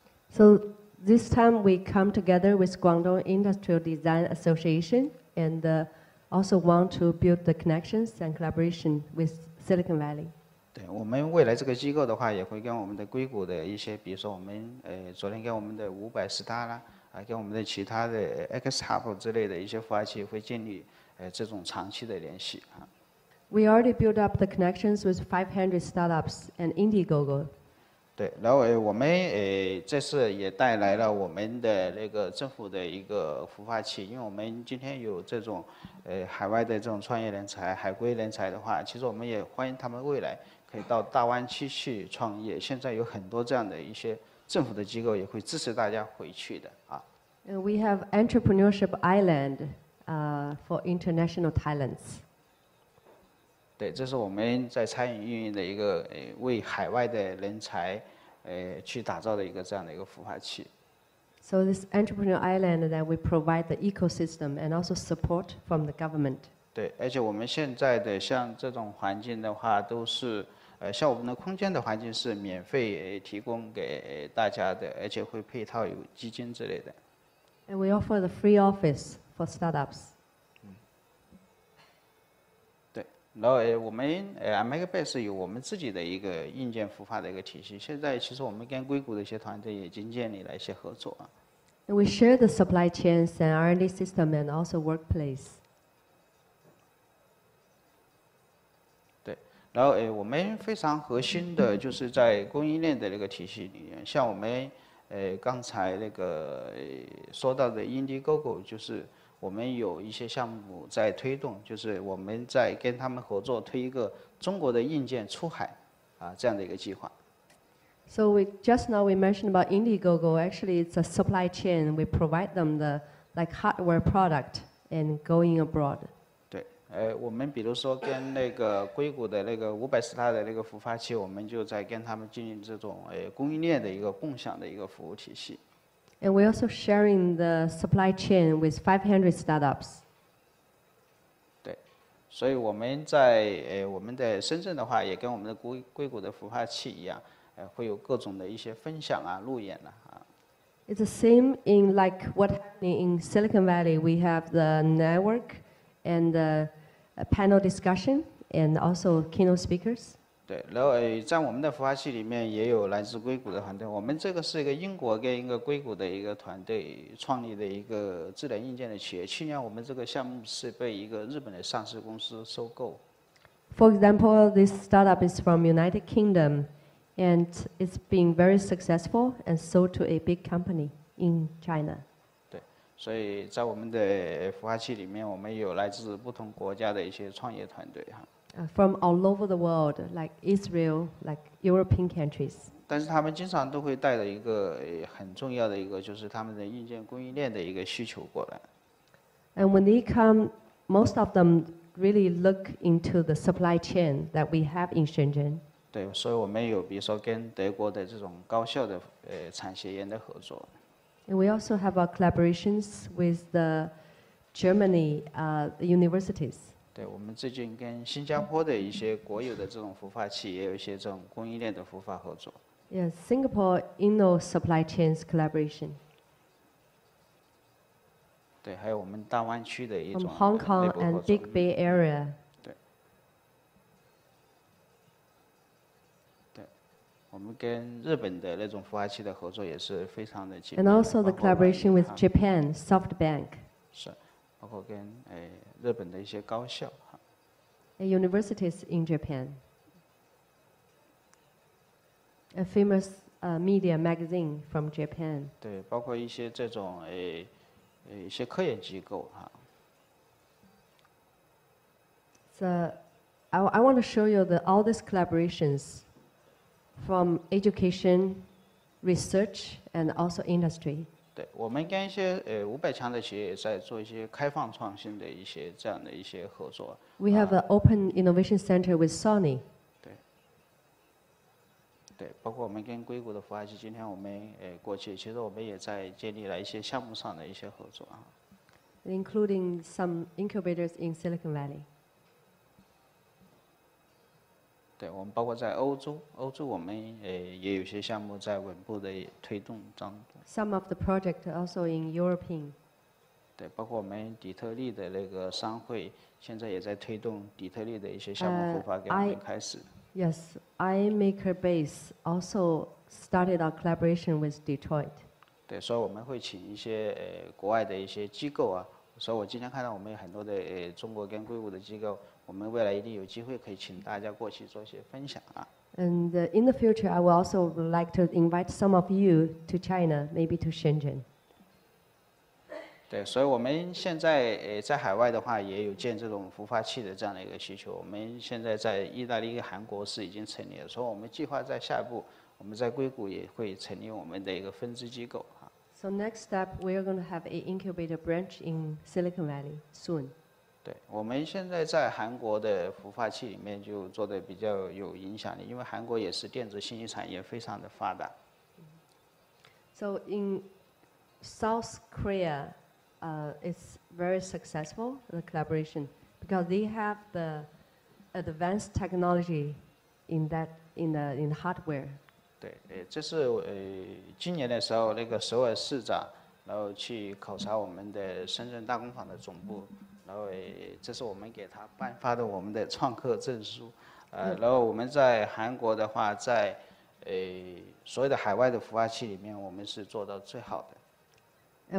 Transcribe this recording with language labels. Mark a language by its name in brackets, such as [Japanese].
[English] So. This time we come together with Guangdong Industrial Design Association and also want to build the connections and collaboration with Silicon Valley. [Chinese] 对，我们未来这个机构的话，也会跟我们的硅谷的一些，比如说我们昨天跟我们的500斯达啦，跟我们的其他的 X Hub 之类的一些孵化器会建立这种长期的联系啊。 [English] We already built up the connections with 500 startups and Indiegogo. [Chinese] 对，然后我们这次也带来了我们的那个政府的一个孵化器，因为我们今天有这种海外的这种创业人才、海归人才的话，其实我们也欢迎他们未来可以到大湾区去创业。现在有很多这样的一些政府的机构也会支持大家回去的啊。 [English] We have entrepreneurship island, for international talents. [Chinese] 对，这是我们在餐饮运营的一个为海外的人才去打造的一个这样的一个孵化器。 [English] So this entrepreneur island that we provide the ecosystem and also support from the government. [Chinese] 对，而且我们现在的像这种环境的话，都是像我们的空间的环境是免费提供给大家的，而且会配套有基金之类的。 [English] And we offer the free office for startups. [Chinese] 对，然后我们Amagabase 有我们自己的一个硬件孵化的一个体系，现在其实我们跟硅谷的一些团队已经建立了一些合作。 [English] And we share the supply chains and R&D system and also workplace. [Chinese] 然后我们非常核心的就是在供应链的那个体系里面，像我们刚才那个说到的 Indiegogo， 就是我们有一些项目在推动，就是我们在跟他们合作推一个中国的硬件出海啊这样的一个计划。 [English] So we just now we mentioned about Indiegogo. Actually, it's a supply chain. We provide them the like hardware product and going abroad. [Chinese] 我们比如说跟那个硅谷的那个500斯塔的那个孵化器，我们就在跟他们进行这种供应链的一个共享的一个服务体系。 [English] And we also sharing the supply chain with 500 startups. [Chinese] 对，所以我们在我们的深圳的话，也跟我们的硅谷的孵化器一样，会有各种的一些分享啊、路演啊。 [English] It's the same in like what happening in Silicon Valley. We have the network. And a panel discussion and also keynote speakers. [Chinese] 对，然后在我们的孵化器里面也有来自硅谷的团队。我们这个是一个英国跟一个硅谷的一个团队创立的一个智能硬件的企业。去年我们这个项目是被一个日本的上市公司收购。 [English] For example, this startup is from United Kingdom, and it's been very successful and sold to a big company in China. [Chinese] 所以在我们的孵化器里面，我们有来自不同国家的一些创业团队哈。 [English] From all over the world, like Israel, like European countries. [Chinese] 但是他们经常都会带着一个很重要的一个，就是他们的硬件供应链的一个需求过来。 [English] And when they come, most of them really look into the supply chain that we have in Shenzhen. [Chinese] 对，所以我们有比如说跟德国的这种高校的产学研的合作。 [English] And we also have our collaborations with the Germany universities. [Chinese] 对，我们最近跟新加坡的一些国有的这种孵化器，也有一些这种供应链的孵化合作。 [English] Yes, Singapore Inno Supply Chains Collaboration. [Chinese] 对，还有我们大湾区的一种。 [English] From Hong Kong and Big Bay Area. [Chinese] 对。我们跟日本的那种孵化器的合作也是非常的紧密。 [English] And also the collaboration with Japan SoftBank. [Chinese] 是，包括跟日本的一些高校。 [English] Universities in Japan. A famous media magazine from Japan. [Chinese] 对，包括一些这种一些科研机构哈。 [English] So, I want to show you the all these collaborations. From education, research, and also industry. [Chinese] 对，我们跟一些五百强的企业在做一些开放创新的一些这样的一些合作。 [English] We have an open innovation center with Sony. [Chinese] 对，对，包括我们跟硅谷的孵化器，今天我们过去，其实我们也在建立了一些项目上的一些合作啊。 [English] Including some incubators in Silicon Valley. [Chinese] 对，我们包括在欧洲我们也有些项目在稳步的推动当中。 [English] Some of the project also in European. [Chinese] 对，包括我们底特律的那个商会，现在也在推动底特律的一些项目孵化给我们开始。 [English] Yes, iMaker Base also started our collaboration with Detroit. [Chinese] 对，所以我们会请一些国外的一些机构啊，所以我今天看到我们有很多的中国跟硅谷的机构。我们未来一定有机会可以请大家过去做一些分享啊。 [English] And in the future, I will also like to invite some of you to China, maybe to Shenzhen. [Chinese] 对，所以我们现在在海外的话，也有建这种孵化器的这样的一个需求。我们现在在意大利、韩国是已经成立了，所以我们计划在下一步，我们在硅谷也会成立我们的一个分支机构啊。 [English] So next step, we are going to have an incubator branch in Silicon Valley soon. [Chinese] 对，我们现在在韩国的孵化器里面就做得比较有影响力，因为韩国也是电子信息产业非常的发达。 [English] So in South Korea, it's very successful the collaboration because they have the advanced technology in the hardware. [Chinese] 对，这是今年的时候，那个首尔市长，然后去考察我们的深圳大工坊的总部，然后这是我们给他颁发的我们的创客证书，然后我们在韩国的话，在所有的海外的孵化器里面，我们是做到最好的。